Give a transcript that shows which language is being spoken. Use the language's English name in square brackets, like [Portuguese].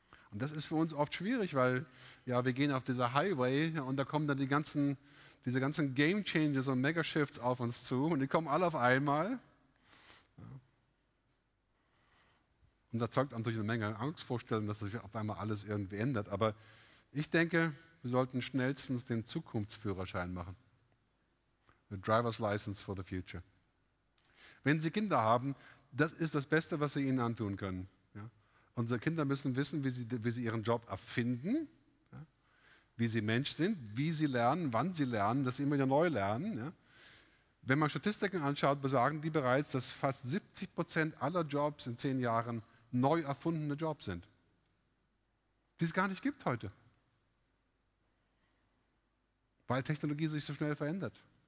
[German] Und das ist für uns oft schwierig, weil ja, wir gehen auf dieser Highway und da kommen dann diese ganzen Game Changers und Megashifts auf uns zu und die kommen alle auf einmal. Ja. Und da zeugt natürlich eine Menge Angstvorstellungen, dass sich auf einmal alles irgendwie ändert. Aber ich denke, wir sollten schnellstens den Zukunftsführerschein machen. [English] The Driver's License for the Future. [German] Wenn Sie Kinder haben, das ist das Beste, was Sie ihnen antun können. Ja? Unsere Kinder müssen wissen, wie sie ihren Job erfinden, ja? Wie sie Mensch sind, wie sie lernen, wann sie lernen, dass sie immer wieder neu lernen. Ja? Wenn man Statistiken anschaut, besagen die bereits, dass fast 70% aller Jobs in 10 Jahren neu erfundene Jobs sind, die es gar nicht gibt heute, weil Technologie sich so schnell verändert.